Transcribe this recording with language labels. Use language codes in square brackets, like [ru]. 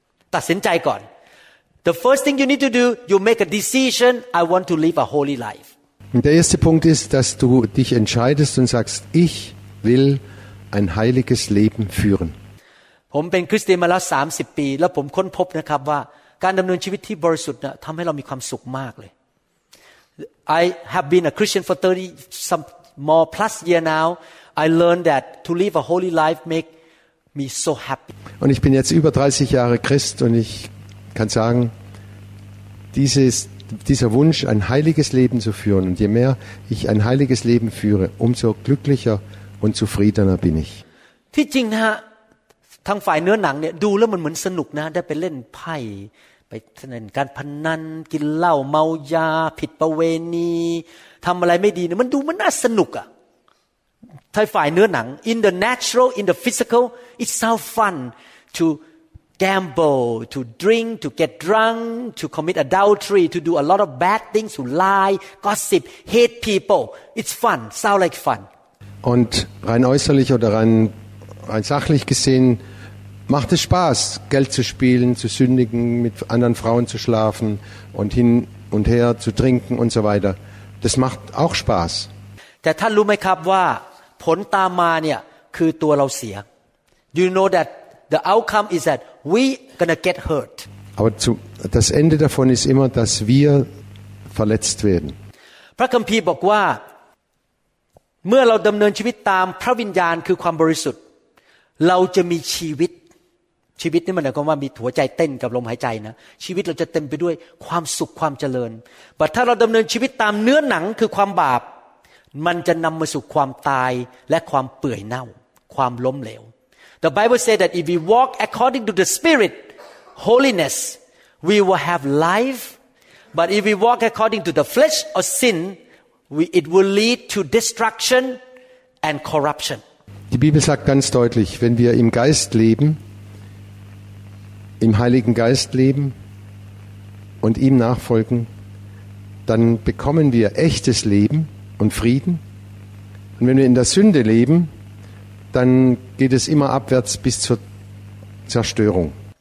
[en] The first thing you need to do, you make a decision, I want to live a holy life. [de] Der erste Punkt ist, dass du dich entscheidest und sagst, ich will ein heiliges Leben führen. Ich bin Christ mal 30 Jahre und ich habe herausgefunden, dass. [th] การดำเนินชีวิตที่บริสุทธิ์นะทำให้เรามีความสุขมากเลย [en] I have been a Christian for 30 some more plus year now I learned that to live a holy life make me so happy [de] und ich bin jetzt über 30 Jahre Christ und ich kann sagen dieser Wunsch ein heiliges Leben zu führen und je mehr ich ein heiliges Leben führe umso glücklicher und zufriedener bin ich [th] ที่จริงนะทางฝ่ายเนื้อหนังเนี่ยดูแล้วมันเหมือนสนุกนะได้ไปเล่นไพ่ไปเล่นการพนันกินเหล้าเมายาผิดประเวณีทำอะไรไม่ดีเนี่ยมันดูมันน่าสนุกอ่ะทางฝ่ายเนื้อหนัง [en] in the natural in the physical it sounds fun to gamble to drink to get drunk to commit adultery to do a lot of bad things to lie gossip hate people it's fun sounds like fun [de] und rein äußerlich oder rein sachlich gesehen macht es Spaß, Geld zu spielen, zu sündigen, mit anderen Frauen zu schlafen und hin und her zu trinken und so weiter. Das macht auch Spaß. [th] แต่ท่านรู้ไหมครับว่าผลตามมาเนี่ยคือตัวเราเสีย [en] You know that the outcome is that we gonna get hurt. [de] Aber das Ende davon ist immer, dass wir verletzt werden. [th] พระคัมภีร์บอกว่าเมื่อเราดำเนินชีวิตตามพระวิญญาณคือความบริสุทธิ์เราจะมีชีวิตชีวิตนี่มันหมายความว่ามีหัวใจเต้นกับลมหายใจนะชีวิตเราจะเต็มไปด้วยความสุขความเจริญแต่ถ้าเราดำเนินชีวิตตามเนื้อหนังคือความบาปมันจะนำมาสู่ความตายและความเปื่อยเน่าความล้มเหลว [en] The Bible says that if we walk according to the Spirit holiness we will have life But if we walk according to the flesh or sin, it will lead to destruction and corruption. [de] Die Bibel sagt ganz deutlich, wenn wir im Geist leben, im Heiligen Geist leben und ihm nachfolgen, dann bekommen wir echtes Leben und Frieden. Und wenn wir in der Sünde leben, dann geht es immer abwärts bis zur Zerstörung.